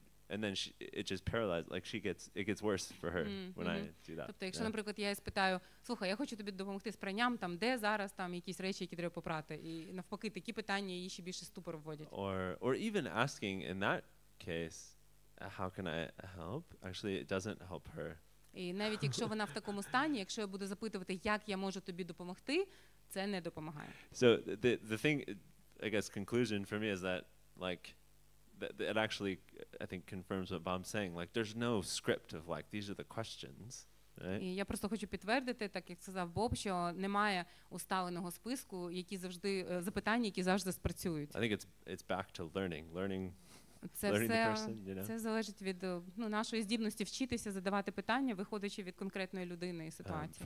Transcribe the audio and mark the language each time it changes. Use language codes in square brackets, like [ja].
[en] And then it just paralyzes. Like she gets, it gets worse for her when I do that. [uk] Тобто, якщо, наприклад, я її спитаю, слухай, я хочу тобі допомогти з пранням, там, де зараз там якісь речі, які треба попрати, і навпаки, такі питання її ще більше ступор вводять. [en] Or even asking in that case, how can I help? Actually, it doesn't help her. [uk] І навіть якщо вона в такому стані, якщо я буду запитувати, як я можу тобі допомогти, це не допомагає. [en] So the thing, I guess, conclusion for me is that, like, it actually, I think, confirms what Bob's saying. Like, there's no script of, like, these are the questions, right? [uk] І я просто хочу підтвердити, так як сказав Боб, що немає уставленого списку, які завжди, запитання, які завжди спрацюють. [en] I think it's back to learning the person, you know? [uk] Це залежить від, ну, нашої здібності вчитися, задавати питання, виходячи від конкретної людини і ситуації.